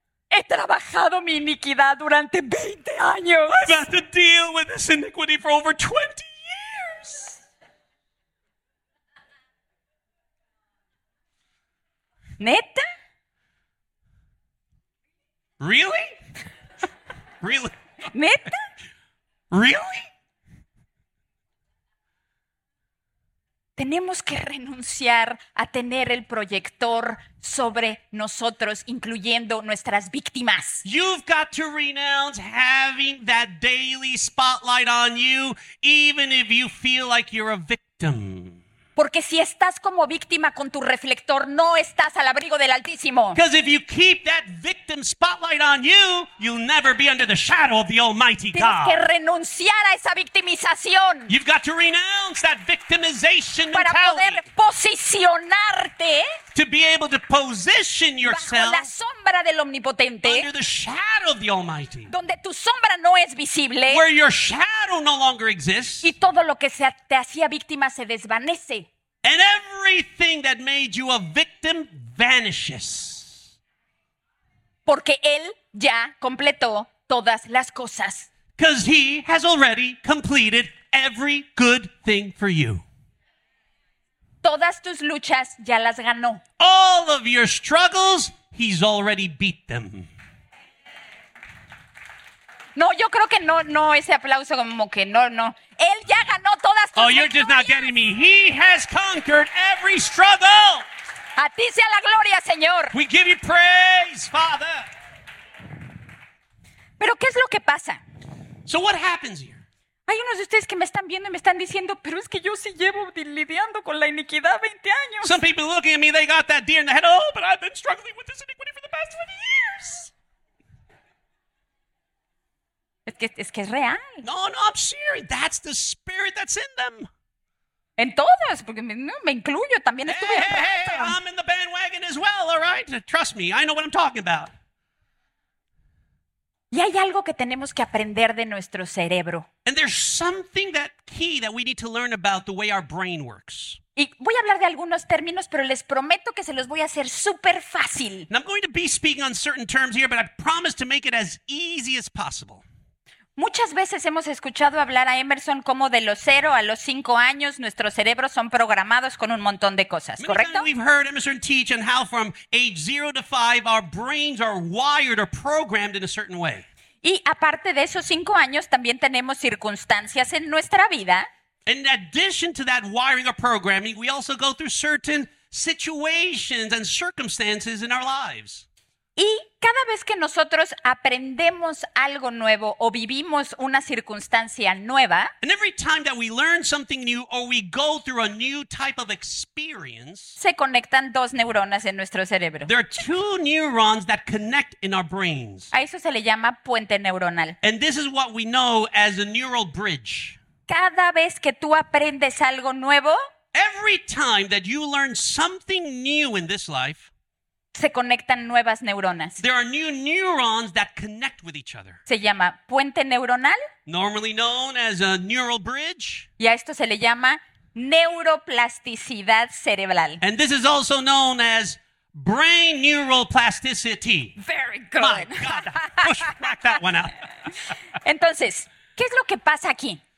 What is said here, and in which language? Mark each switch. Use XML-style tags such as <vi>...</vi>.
<es>He trabajado mi iniquidad durante 20 años.</es> <en>I've had to deal with this iniquity for over 20 years.</en> <es>¿Neta?</es> <en>Really? Really?</en> <es>¿Neta?</es> <en>Really?</en> <es>Tenemos que renunciar a tener el proyector sobre nosotros, incluyendo nuestras víctimas.</es> <en>You've got to renounce having that daily spotlight on you, even if you feel like you're a victim.</en> <es>Porque si estás como víctima con tu reflector, no estás al abrigo del Altísimo.</es> <en>Because if you keep that victim spotlight on you, you'll never be under the shadow of the Almighty God.</en> <es>Tienes que renunciar a esa victimización.</es> <en>You've got to renounce that victimization mentality.</en> <es>Para poder posicionarte.</es> <en>To be able to position yourself.</en> <es>Bajo la sombra del Omnipotente.</es> <en>Under the shadow of the Almighty.</en> <es>Donde tu sombra no es visible.</es> <en>Where your shadow no longer exists.</en> <es>Y todo lo que te hacía víctima se desvanece.</es> <en>And everything that made you a victim vanishes.</en> <es>Porque él ya completó todas las cosas.</es> <en>Because he has already completed every good thing for you.</en> <es>Todas tus luchas ya las ganó.</es> <en>All of your struggles, he's already beat them.</en> <es>No, yo creo que no ese aplauso como que no. Él ya ganó todas tus victorias.</es> <en>Oh, you're just not getting me. He has conquered every struggle.</en> <es>A ti sea la gloria, Señor.</es> <en>We give you praise, Father.</en> <es>Pero ¿qué es lo que pasa?</es> <en>So what happens here?</en> <es>Hay unos de ustedes que me están viendo y me están diciendo, pero es que yo sí llevo lidiando con la iniquidad 20 años.</es> <en>Some people looking at me, they got that deer in the head. Oh, but I've been struggling with this iniquity for the past 20 years.</en> <es>Es que es real.</es> <en>No, I'm serious. That's the spirit that's in them.</en> <es>En todas, porque me incluyo, también estuve en rato.</es> <en>I'm in the bandwagon as well, all right? Trust me, I know what I'm talking about.</en> <es>Y hay algo que tenemos que aprender de nuestro cerebro.</es> <en>And there's something that key that we need to learn about the way our brain works.</en> <es>Y voy a hablar de algunos términos, pero les prometo que se los voy a hacer súper fácil.</es> <en>And I'm going to be speaking on certain terms here, but I promise to make it as easy as possible.</en> <es>Muchas veces hemos escuchado hablar a Emerson como de los 0 a los 5 años nuestros cerebros son programados con un montón de cosas, ¿correcto?</es> <en>We've heard Emerson teach and how from age 0 to 5 our brains are wired or programmed in a certain way.</en> <es>Y aparte de esos 5 años también tenemos circunstancias en nuestra vida.</es> <en>In addition to that wiring or programming, we also go through certain situations and circumstances in our lives.</en> <es>Y cada vez que nosotros aprendemos algo nuevo o vivimos una circunstancia nueva,</es> <en>and every time that we learn something new or we go through a new type of experience,</en> <es>se conectan dos neuronas en nuestro cerebro.</es> <en>There are two neurons that connect in our brains.</en> <es>A eso se le llama puente neuronal.</es> <en>And this is what we know as a neural bridge.</en> <es>Cada vez que tú aprendes algo nuevo,</es> <en>every time that you learn something new in this life,</en> <es>se conectan nuevas neuronas.</es> <en>There are new neurons that connect with each other.</en> <es>Se llama puente neuronal.</es> <en>Normally known as a neural bridge.</en> <es>Y a esto se le llama neuroplasticidad cerebral.</es> <en>And this is also known as brain neural plasticity. Very good. My God, crack that one out.</en> <es>Entonces, ¿qué es lo que pasa aquí?</es>